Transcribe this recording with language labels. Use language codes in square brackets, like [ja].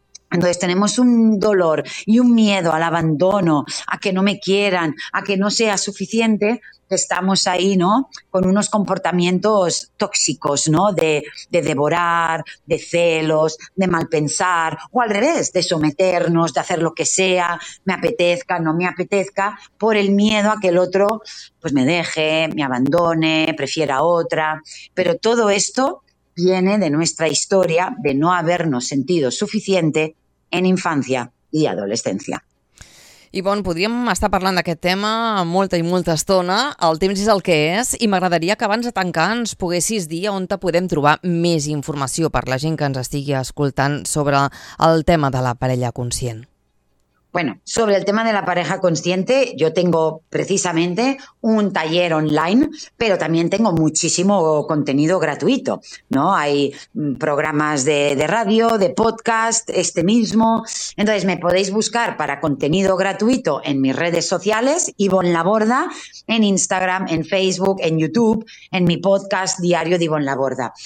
[es] Entonces tenemos un dolor y un miedo al abandono, a que no me quieran, a que no sea suficiente, estamos ahí, ¿no?, con unos comportamientos tóxicos, ¿no?, de devorar, de celos, de malpensar, o al revés, de someternos, de hacer lo que sea, me apetezca, no me apetezca, por el miedo a que el otro pues me deje, me abandone, prefiera otra. Pero todo esto viene de nuestra historia de no habernos sentido suficiente en infancia y adolescencia. [ca] Ivonne, podríem estar parlant d'aquest tema molta i molta estona. El temps és el que és i m'agradaria que abans de tancar ens poguessis dir on te podem trobar més informació per la gent que ens estigui escoltant sobre el tema de la parella conscient. [es] Bueno, sobre el tema de la pareja consciente, yo tengo precisamente un taller online, pero también tengo muchísimo contenido gratuito, ¿no? Hay programas de radio, de podcast, este mismo. Entonces, me podéis buscar para contenido gratuito en mis redes sociales, Ivonne Laborda, en Instagram, en Facebook, en YouTube, en mi podcast diario de Ivonne Laborda.